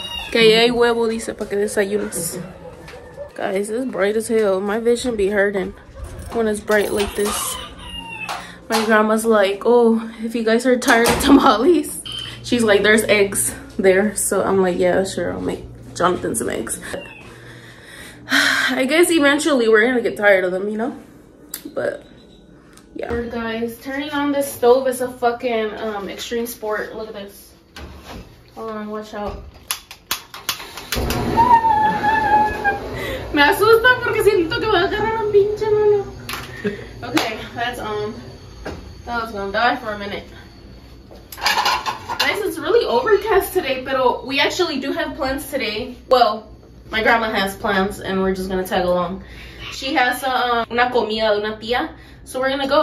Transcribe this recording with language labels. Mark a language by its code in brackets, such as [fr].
[es] Que ya hay huevo, dice, para que desayunes. [en] Guys, it's bright as hell. My vision be hurting when it's bright like this. My grandma's like, oh, if you guys are tired of tamales. She's like, there's eggs there. So I'm like, yeah, sure, I'll make Jonathan some eggs. I guess eventually we're gonna get tired of them, you know? But yeah. Here, guys, turning on this stove is a fucking extreme sport. Look at this. Hold on, watch out. [es] Me asusta porque siento que voy a agarrar un pinche mano. [en] Okay, that's that was gonna die for a minute. Guys, it's really overcast today, but we actually do have plans today. Well, my grandma has plans and we're just gonna tag along. She has [es] una comida de una tía. [en] So we're gonna go.